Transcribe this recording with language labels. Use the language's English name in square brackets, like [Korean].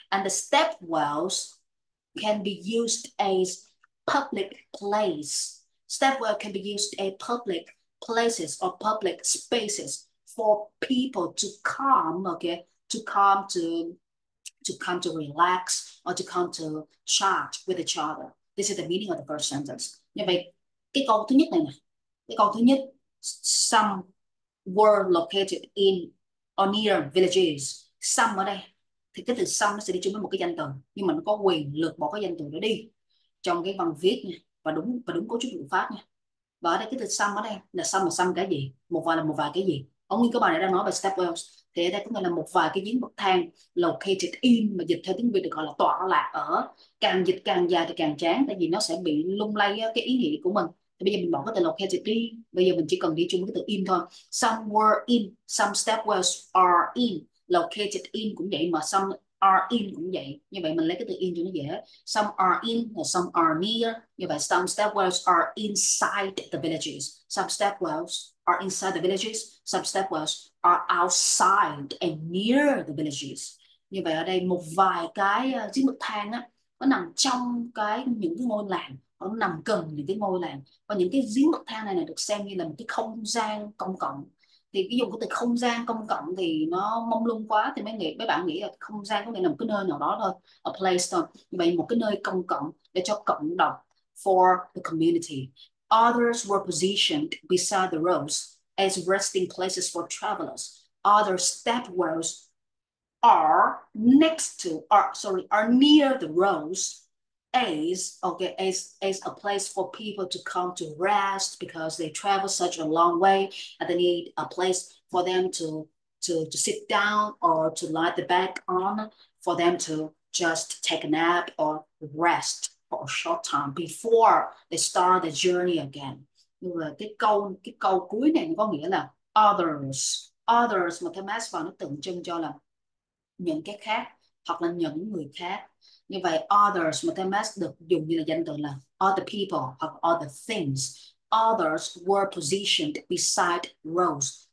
[English] And the stepwells can be used as public place. Stepwell can be used as public places or public spaces for people to come, okay, to come to relax or to come to chat with each other. This is the meaning of the first sentence. [Vietnamese] Như vậy, cái câu thứ nhất này nè. Cái câu thứ nhất, [English] some were located in or near villages. [Vietnamese] Some ở đây, thì cái từ some nó sẽ đi chung với một cái danh từ. Nhưng mà nó có quyền lược bỏ cái danh từ đó đi trong cái văn viết nha. Và đúng cấu trúc ngữ pháp nha. Và ở đây cái từ some ở đây là some là some cái gì? Một vài là một vài cái gì? Ở nguyên các bạn đang nói về stepwells. Thì ở đây có nghĩa là một vài cái giếng bậc thang located in, mà dịch theo tiếng Việt được gọi là tọa lạc ở. Càng dịch càng dài thì càng chán, tại vì nó sẽ bị lung lay cái ý nghĩa của mình. Thì bây giờ mình bỏ cái từ located đi, bây giờ mình chỉ cần đi chung cái từ in thôi. [English] Some were in, some stepwells are in. Located in [Vietnamese] cũng vậy, mà [English] some are in [Vietnamese] cũng vậy. Như vậy mình lấy cái từ in cho nó dễ. [English] Some are in, some are near. [Vietnamese] Như vậy [English] some stepwells are inside the villages. Some stepwells are inside the villages. Some stepwells are outside and near the villages. [Vietnamese] Như vậy ở đây một vài cái giếng bậc thang á, nó nằm trong cái những cái ngôi làng, nó nằm gần những cái ngôi làng. Và những cái giếng bậc thang này này được xem như là một cái không gian công cộng. Thì ví dụ cái từ không gian công cộng thì nó mông lung quá, thì mấy bạn nghĩ là không gian có nghĩa là một cái nơi nào đó thôi, a place thôi. Vậy một cái nơi công cộng để cho cộng đồng, [English] for the community. Others were positioned beside the roads as resting places for travelers. Other stepwells are next to, are near the roads as a place for people to come to rest because they travel such a long way and they need a place for them to sit down or to lie the back on, for them to just take a nap or rest for a short time before they start the journey again. [Vietnamese] Nhưng mà cái câu cuối này có nghĩa là others mà thêm s vào nó tượng trưng cho là những cái khác hoặc là những người khác. Như vậy others mà thêm s được dùng như là danh từ là other people hoặc other things. [English] Others were positioned beside roads.